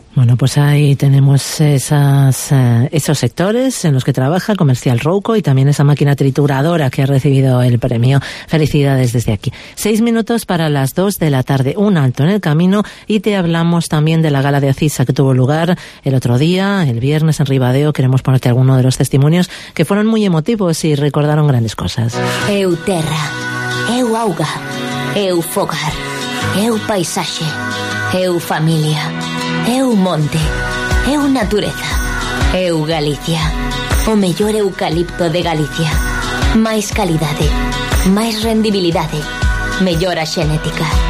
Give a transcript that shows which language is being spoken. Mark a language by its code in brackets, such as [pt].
[es] Bueno, pues ahí tenemos esos sectores en los que trabaja Comercial Rouco y también esa máquina trituradora que ha recibido el premio. Felicidades desde aquí. 6 minutos para las 2 de la tarde. Un alto en el camino y te hablamos también de la gala de Acisa que tuvo lugar el otro día, el viernes, en Ribadeo. Queremos ponerte alguno de los testimonios que fueron muy emotivos y recordaron grandes cosas. [gl] Euterra, eu auga, eu fogar, eu paisaxe, eu familia, eu monte, eu natureza, eu Galicia. O mellor eucalipto de Galicia. Máis calidade, máis rendibilidade, mellora xenética.